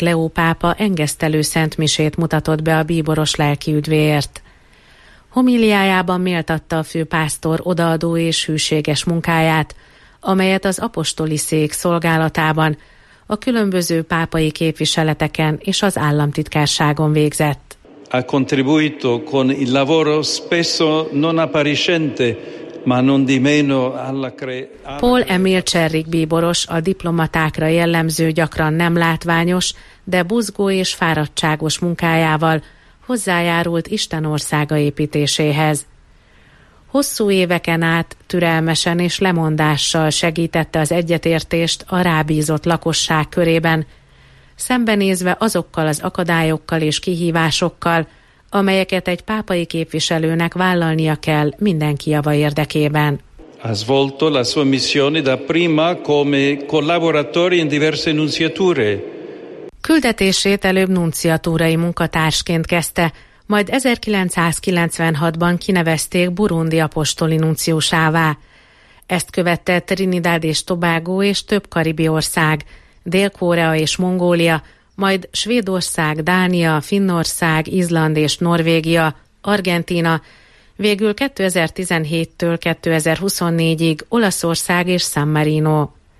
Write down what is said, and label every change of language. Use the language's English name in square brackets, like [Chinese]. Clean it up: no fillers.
[Hungarian] Leó pápa engesztelő szentmisét mutatott be a bíboros lelki üdvéért. Homíliájában méltatta a főpásztor odaadó és hűséges munkáját, amelyet az apostoli szék szolgálatában, a különböző pápai képviseleteken és az államtitkárságon végzett. [Italian] Ha contribuito con il lavoro spesso non appariscente, ma non di meno alla [Hungarian] Paul Emil Cserrik bíboros a diplomatákra jellemző gyakran nem látványos, de buzgó és fáradtságos munkájával hozzájárult Isten országa építéséhez. Hosszú éveken át türelmesen és lemondással segítette az egyetértést a rábízott lakosság körében, szembenézve azokkal az akadályokkal és kihívásokkal, amelyeket egy pápai képviselőnek vállalnia kell mindenki java érdekében. [Italian] Ha volto la sua missione da prima come collaboratore in diverse nunciature. [Hungarian] Küldetését előbb nunciatúrai munkatársként kezdte, majd 1996-ban kinevezték Burundi apostoli nunciósává. Ezt követte Trinidad és Tobago és több karibi ország, Dél-Korea és Mongólia, majd Svédország, Dánia, Finnország, Izland és Norvégia, Argentína, végül 2017-től 2024-ig Olaszország és San Marino.